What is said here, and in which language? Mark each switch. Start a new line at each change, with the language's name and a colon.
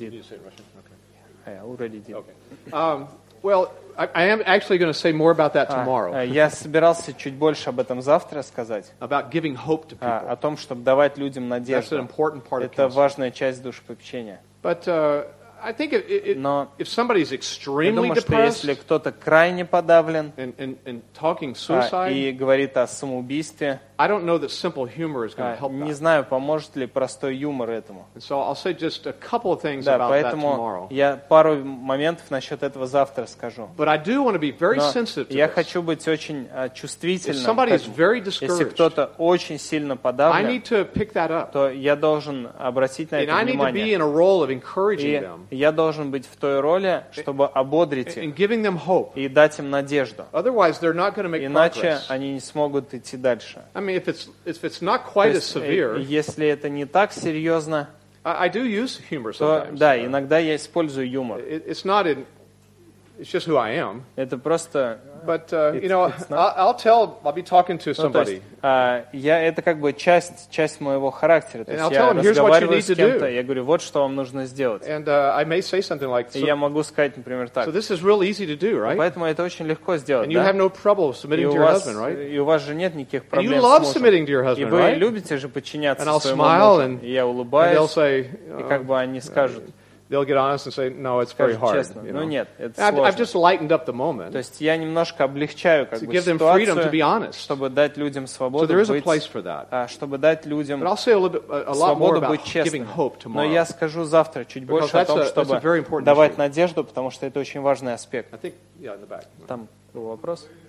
English: You need to say it in Russian? Okay. Yeah, I already did. Okay. Well, I am actually going to say more about that tomorrow.
Russian: Я собирался чуть больше об этом завтра сказать.
English: About giving hope to people.
Russian: О том, чтобы давать людям надежду.
English: That's an important part of counsel.
Russian: Это важная часть душепопечения.
English: But I think if somebody's extremely
Russian: я думаю,
English: depressed,
Russian: что если кто-то крайне подавлен
English: and talking suicide,
Russian: и говорит о самоубийстве,
English: I don't know that simple humor is going to help.
Russian: Не знаю, поможет ли простой юмор этому.
English: And so I'll say just a couple of things about that tomorrow.
Russian: Я пару моментов насчет этого завтра скажу.
English: But I do want to be very sensitive.
Russian: Я хочу быть очень чувствительным.
English: If somebody is very discouraged,
Russian: если кто-то очень сильно подавлен,
English: I need to pick that up.
Russian: То я должен обратить на это внимание.
English: And I need to be in a role of encouraging them.
Russian: Я должен быть в той роли, чтобы ободрить их
English: and giving them hope.
Russian: И дать им надежду.
English: Otherwise, they're not going to make progress.
Russian: Иначе они не смогут идти дальше.
English: I mean, if it's not quite as severe,
Russian: если это не так серьезно,
English: I do use humor sometimes.
Russian: Да, иногда я использую юмор.
English: It's not in It's just who I am.
Russian: Это просто.
English: But you know, I'll tell. I'll be talking to somebody.
Russian: Я это как бы часть моего характера. То есть я разговариваю с кем-то. Я говорю, вот что вам нужно сделать.
English: And I may say something like.
Russian: Я могу сказать, например, так.
English: So this is real easy to do, right?
Russian: Поэтому это очень легко сделать.
English: And you have no problem submitting to your husband, right?
Russian: И у вас же нет никаких проблем.
English: And you love submitting to your husband, right?
Russian: И вы любите же подчиняться своему мужу.
English: And I'll smile,
Russian: и я улыбаюсь.
English: They'll say.
Russian: И как бы они скажут.
English: They'll get honest and say, "No, it's very hard." You know?
Russian: Ну, нет,
English: I've just lightened up the moment.
Russian: То есть я немножко облегчаю, как бы,
English: give them freedom to be honest.
Russian: Чтобы дать людям свободу
English: so there is
Russian: быть,
English: a place for that.
Russian: Чтобы дать людям
English: But I'll say a lot more about giving hope tomorrow.
Russian: Но я скажу завтра чуть больше о том, чтобы давать надежду, потому что это очень важный аспект.
English: I think, yeah, in the back.
Russian: Там был вопрос.